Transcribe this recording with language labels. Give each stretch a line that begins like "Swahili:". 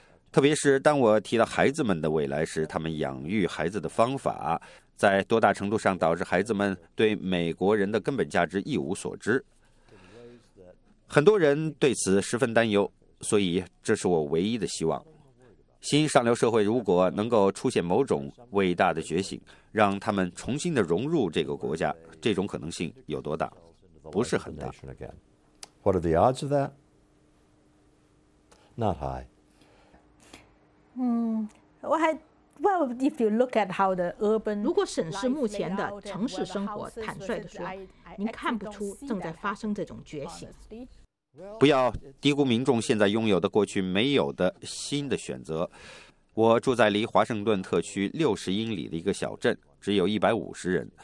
Chinese: 特别是当我提到孩子们的未来时，他们养育孩子的方法在多大程度上导致孩子们对美国人的根本价值一无所知。很多人对此十分担忧，所以这是我唯一的希望。新上流社会如果能够出现某种伟大的觉醒，让他们重新的融入这个国家，这种可能性有多大？不是很大。
English: What are the odds of that? Not high. Well, if you look at how the urban
Chinese: 如果审视目前的城市生活，坦率地说，您看不出正在发生这种觉醒。不要低估民众现在拥有的过去没有的新的选择。我住在离华盛顿特区60英里的一个小镇，只有150人。